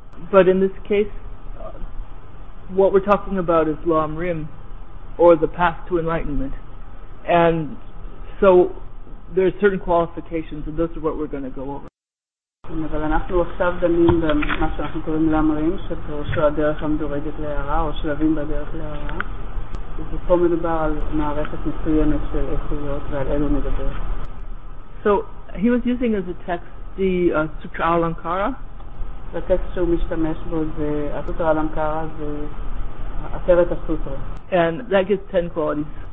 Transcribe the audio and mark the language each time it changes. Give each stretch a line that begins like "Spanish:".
English: But in this case, what we're talking about is Lam Rim, or the path to enlightenment. And so there are certain qualifications, and those are what we're going to go over.
Hebrew: אבל אנחנו עכשיו דנים במה שאנחנו קוראים Lam Rim, שפירושו הדרך המדורגת להערה, או שלבים בדרך להערה. ופה מדובר על מערכת מסוימת של איכויות ועל אלו נדבר.
English: So he was using as a text the Sutra Alankara. The text he was using was the Sutra Alankara, the Atharva Sutra. And that gives 10 qualities.